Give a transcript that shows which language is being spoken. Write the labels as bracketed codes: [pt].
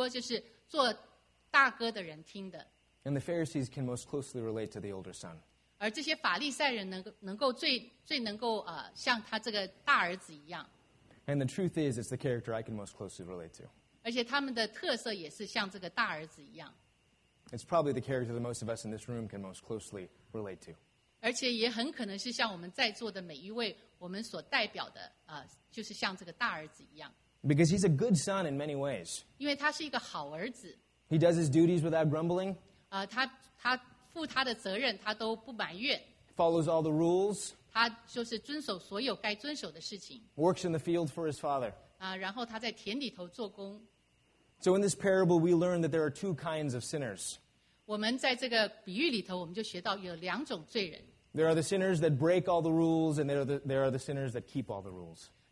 [zh] 所以当他讲这个故事给这些法利赛人的听的时候，但是他也是在讲这个故事给许多就是做大哥的人听的。 [en] And the Pharisees can most closely relate to the older son. [zh] 而这些法利赛人能够最能够像他这个大儿子一样。 [en] And the truth is, it's the character I can most closely relate to. [zh] 而且他们的特色也是像这个大儿子一样。 [en] It's probably the character that most of us in this room can most closely relate to. [zh] 而且也很可能是像我们在座的每一位，我们所代表的，就是像这个大儿子一样。 [en] Because he's a good son in many ways. [zh] 因为他是一个好儿子。 [en] He does his duties without grumbling. [zh] 他负他的责任，他都不埋怨。 [en] Follows all the rules. [zh] 他就是遵守所有该遵守的事情。 [en] Works in the field for his father. [zh] 然后他在田里头做工。 [en] So in this parable, we learn that there are two kinds of sinners. [zh] 我们在这个比喻里头，我们就学到有两种罪人。 [en] There are the sinners that break all the rules, and there are the sinners that keep all the rules.